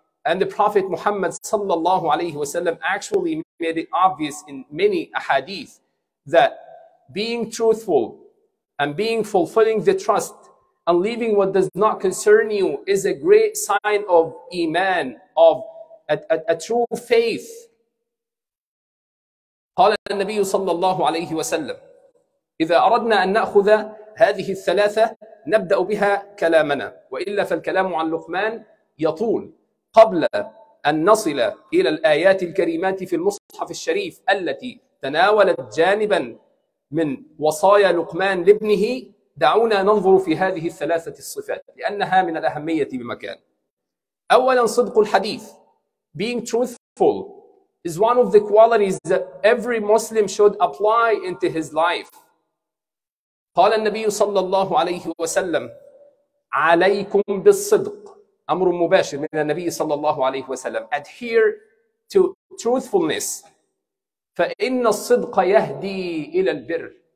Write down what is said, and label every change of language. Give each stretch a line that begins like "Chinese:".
English: And the Prophet Muhammad sallallahu alayhi wa sallam actually made it obvious in many ahadith that being truthful and being fulfilling the trust and leaving what does not concern you is a great sign of iman, of a true faith.
Arabic: قال النبي صلى الله عليه وسلم إذا أردنا أن نأخذ هذه الثلاثة نبدأ بها كلامنا وإلا فالكلام عن لقمان يطول قبل أن نصل إلى الآيات الكريمات في المصحف الشريف التي تناولت جانبا من وصايا لقمان لابنه دعونا ننظر في هذه الثلاثة الصفات لأنها من الأهمية بمكان أولا صدق الحديث
English: Being truthful is one of the qualities that every Muslim should apply into his life.
Arabic: قال النبي صلى الله عليه وسلم عليكم بالصدق أمر مباشر من النبي صلى الله عليه وسلم
English: Adhere to truthfulness
Arabic: فإن الصدق يهدي إلى البر